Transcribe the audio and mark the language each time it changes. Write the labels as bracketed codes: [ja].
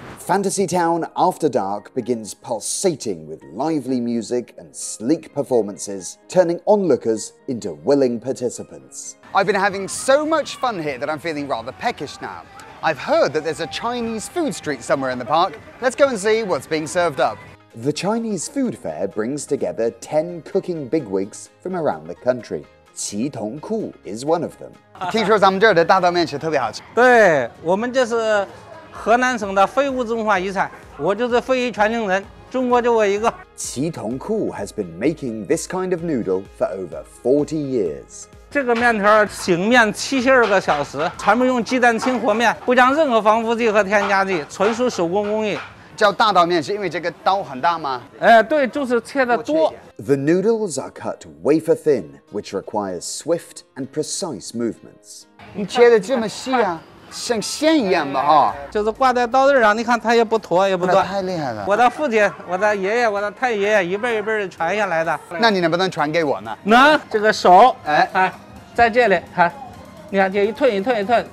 [en] Fantasy Town After Dark begins pulsating with lively music and sleek performances, turning onlookers into willing participants. I've been having so much fun here that I'm feeling rather peckish now. I've heard that there's a Chinese food street somewhere in the park. Let's go and see what's being served up. The Chinese food fair brings together 10 cooking bigwigs from around the country. 奇同库 is one of them. [zh] 听说咱们这儿的大刀面吃特别好吃。对，我们这是河南省的非物质文化遗产，我就是非遗传承人。中国就我一个。 [en] 祁同库 has been making this kind of noodle for over 40 years. [zh] 这个面条醒面72个小时，全部用鸡蛋清和面，不加任何防腐剂和添加剂，纯属手工工艺。叫大刀面是因为这个刀很大吗？对，就是切的多。 [en] The noodles are cut wafer thin, which requires swift and precise movements. [zh] 你切的这么细啊，像线一样的哈、哦，就是挂在刀刃上，你看它也不坨也不断。太厉害了！我的父亲、我的爷爷、我的太爷爷一辈一辈的传下来的。那你能不能传给我呢？能，这个手，在这里，你看这一寸一寸一寸。